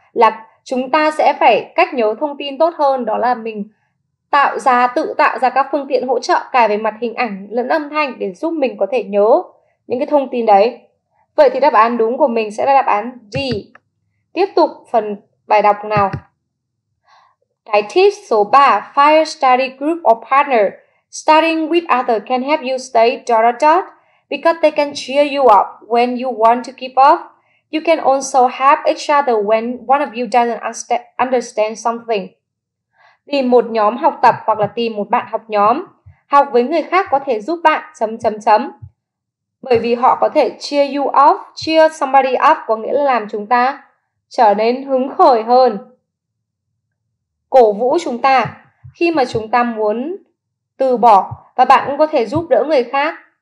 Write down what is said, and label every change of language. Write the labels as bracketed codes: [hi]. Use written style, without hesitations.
[vi] Là chúng ta sẽ phải cách nhớ thông tin tốt hơn đó là mình tự tạo ra các phương tiện hỗ trợ cả về mặt hình ảnh lẫn âm thanh để giúp mình có thể nhớ những cái thông tin đấy. Vậy thì đáp án đúng của mình sẽ là đáp án D. Tiếp tục phần bài đọc nào. Cái tip số 3, [en] find study group or partner. Studying with others can help you stay because they can cheer you up when you want to keep up. You can also help each other when one of you doesn't understand something. [vi] Tìm một nhóm học tập hoặc là tìm một bạn học nhóm. Học với người khác có thể giúp bạn chấm chấm chấm. Bởi vì họ có thể [en] cheer you up, cheer somebody up [vi] có nghĩa là làm chúng ta trở nên hứng khởi hơn. Cổ vũ chúng ta khi mà chúng ta muốn từ bỏ và bạn cũng có thể giúp đỡ người khác.